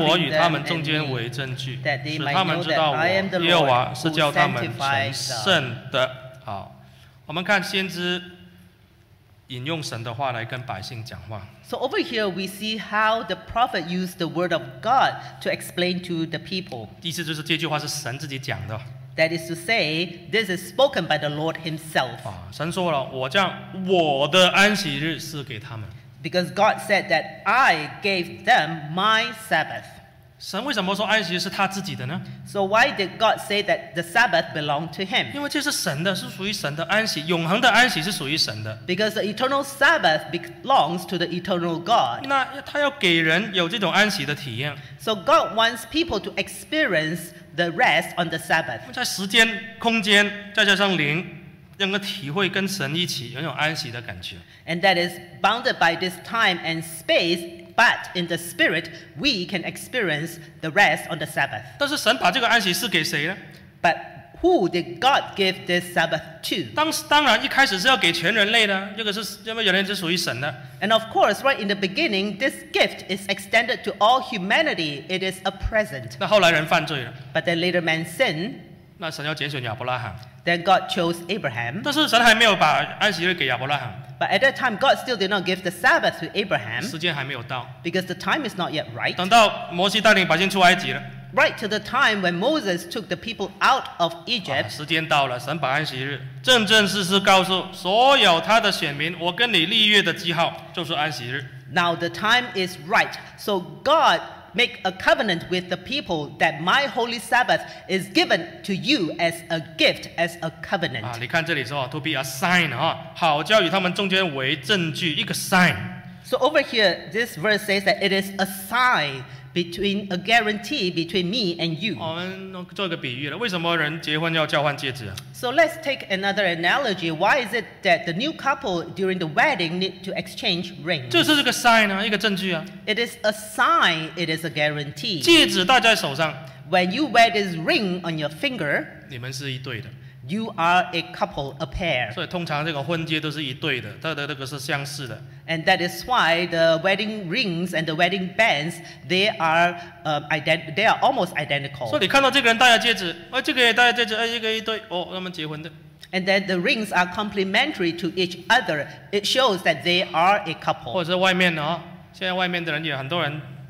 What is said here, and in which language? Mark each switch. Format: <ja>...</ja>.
<zh>又将我的安息日赐给他们好在我与他们中间为证据使他们知道我耶和华是叫他们成圣的 好我们看先知引用神的话来跟百姓讲话</zh> <en>So over here, we see how the prophet used the word of God to explain to the people.</en> <zh>意思就是这句话是神自己讲的。</zh> <en>That is to say, this is spoken by the Lord himself.</en> <zh>神说了,我将我的安息日赐给他们。</zh> <en>Because God said that I gave them my Sabbath.</en> <zh>神为什么说安息日是他自己的呢?</zh> <en>So why did God say that the Sabbath belonged to him?</en> <zh>因为这是神的,是属于神的安息,永恒的安息是属于神的。</zh> <en>Because the eternal Sabbath belongs to the eternal God.</en> <zh>那他要给人有这种安息的体验。</zh> <en>So God wants people to experience the rest on the Sabbath.</en> <zh>在时间,空间,再加上灵。能够体会跟神一起拥有安息的感觉</zh> <en>And that is bounded by this time and space But in the spirit We can experience the rest on the Sabbath</en> <zh>但是神把这个安息是给谁呢?</zh> <en>But who did God give this Sabbath to?</en> <zh>当然一开始是要给全人类的 这个是人类是属于神的</zh> <en>And of course right in the beginning This gift is extended to all humanity It is a present</en> <zh>那后来人犯罪了</zh> <en>But then later man sinned</en> <zh>那神要拣选亚伯拉罕</zh> <en>Then God chose Abraham.</en> <zh>但是神还没有把安息日给亚伯拉罕。</zh> <en>But at that time, God still did not give the Sabbath to Abraham.</en> <zh>时间还没有到。</zh> <en>Because the time is not yet right.</en> <zh>等到摩西带领百姓出埃及了。</zh> <en>Right to the time when Moses took the people out of Egypt.</en> <zh>时间到了，神把安息日正正式式告诉所有他的选民，我跟你立约的记号就是安息日。</zh> <en>Now the time is right, so God. Make a covenant with the people that my holy Sabbath is given to you as a gift, as a covenant.</en> <zh>你看这里说,</zh> <en>to be a sign,</en> <zh>好叫与他们中间为证据, 一个 sign.</zh> <en>So over here, this verse says that it is a sign between, a guarantee between me and you.</en> <zh>我们做一个比喻了, 为什么人结婚要交换戒指?</zh> <en>So let's take another analogy. Why is it that the new couple during the wedding need to exchange rings?</en> <zh>这是个 sign 啊, 一个证据啊。</zh> <en>It is a sign, it is a guarantee.</en> <zh>戒指戴在手上,</zh> <en>when you wear this ring on your finger,</en> <zh>你们是一对的。</zh> <en>You are a couple, a pair.</en> <zh>所以通常这个婚戒都是一对的，它的那个是相似的。</zh> <en>And that is why the wedding rings and the wedding bands, they are almost identical.</en> <zh>所以你看到这个人戴了戒指，哎，这个也戴了戒指，哎，一个一对，哦，他们结婚的。</zh> <en>And then the rings are complementary to each other. It shows that they are a couple.</en> <zh>或者是外面的哦，现在外面的人也很多人。</zh>